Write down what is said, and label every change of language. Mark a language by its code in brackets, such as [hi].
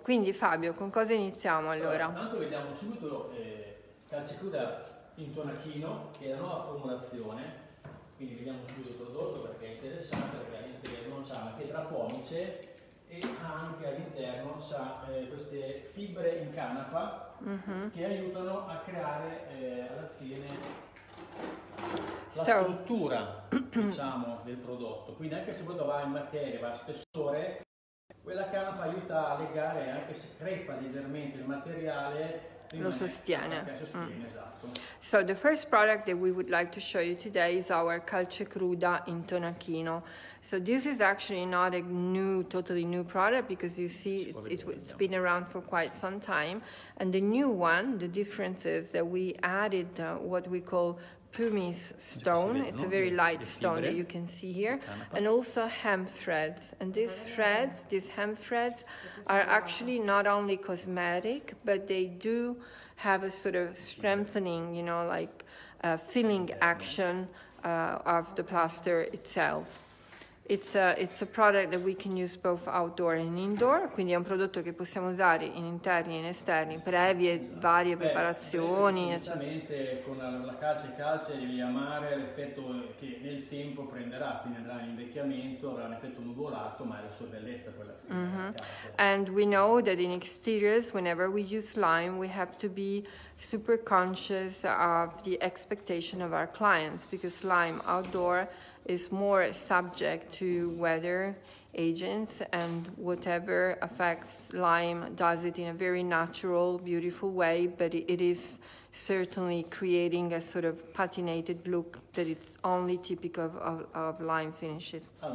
[it] Quindi Fabio, con cosa iniziamo allora? Allora, intanto vediamo subito calce cruda in tonacchino, che è la nuova formulazione. Quindi vediamo subito il prodotto perché è interessante, perché all'interno c'ha una pietra pomice e anche all'interno c'ha queste fibre in canapa che aiutano a creare alla fine la [en] So. [it] struttura, diciamo, del prodotto. Quindi anche se il prodotto va in materia, va a spessore, quella canapa aiuta a legare, anche se crepa leggermente il materiale, Lo rimane canapa sostiene. che sostiene, esatto. [en] So the first product that we would like to show you today is our calce cruda in tonacchino. So this is actually not a new, totally new product because you see [it] Si può [en] it's been [it] vedere, [en] around for quite some time. And the new one, the difference is that we added what we call pumice stone. It's a very light stone that you can see here, and also hemp threads. And these threads, these hemp threads, are actually not only cosmetic, but they do have a sort of strengthening, you know, like a filling action of the plaster itself. It's a product that we can use both outdoor and indoor, [it] quindi è un prodotto che possiamo usare in interni e in esterni, previe varie preparazioni. Certamente con la calce calce devi amare l'effetto che nel tempo prenderà, quindi andrà in invecchiamento, avrà un effetto nuvolato, ma è la sua bellezza quella. [en] And we know that in exteriors, whenever we use lime, we have to be super conscious of the expectation of our clients, because lime outdoor is more subject to weather agents, and whatever affects lime does it in a very natural, beautiful way, but it is certainly creating a sort of patinated look that it's only typical of lime finishes.